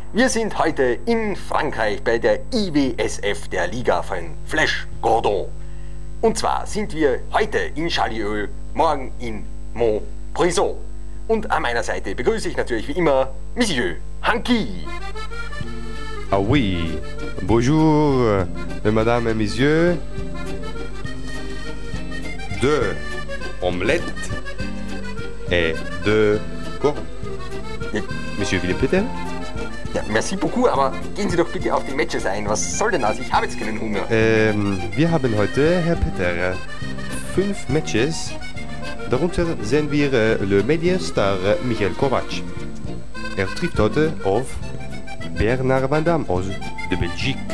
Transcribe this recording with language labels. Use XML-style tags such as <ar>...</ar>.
<de>Wir sind heute in Frankreich bei der IWSF, der Liga von Flash Gordon. Und zwar sind wir heute in Charlieu, morgen in Montbrison. Und an meiner Seite begrüße ich natürlich wie immer Monsieur Hanky.</de> <fr>Ah oui, bonjour, madame et monsieur. Deux omelettes et deux courbes. Monsieur Philippe Peter?</fr> <de>Ja,</de> <fr>merci beaucoup,</fr> <de>aber gehen Sie doch bitte auf die Matches ein. Was soll denn das? Ich habe jetzt keinen Hunger. Wir haben heute, Herr Peter, 5 Matches. Darunter sehen wir Le Medienstar Michael Kovac. Er trifft heute auf Bernard Van Damme aus der Belgique.</de>